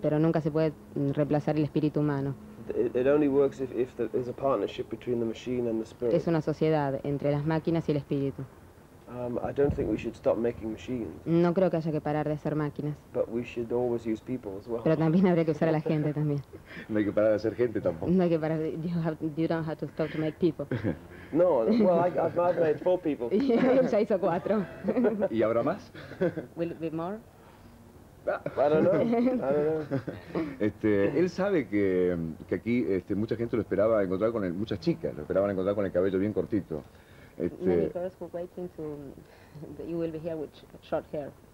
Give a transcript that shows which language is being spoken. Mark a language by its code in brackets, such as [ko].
[es] Pero nunca se puede reemplazar el espíritu humano. [en] It only works if there is a partnership between the machine and the spirit. [es] Es una sociedad entre las máquinas y el espíritu. [en] I don't think we should stop making machines. [es] No creo que haya que parar de hacer máquinas. [en] But we should always use people as well. [es] Pero también habría que usar a la gente también. No hay que parar de hacer gente tampoco. No hay que parar. [en] You don't have to stop to make people. No, well, I've made 4 people. [es] Ya hizo 4. ¿Y habrá más? [en] Will it be more? I don't know. [es] Él sabe que aquí mucha gente lo esperaba encontrar con el, muchas chicas lo esperaban encontrar con el cabello bien cortito. [en] Many girls were waiting to you will be here with short hair.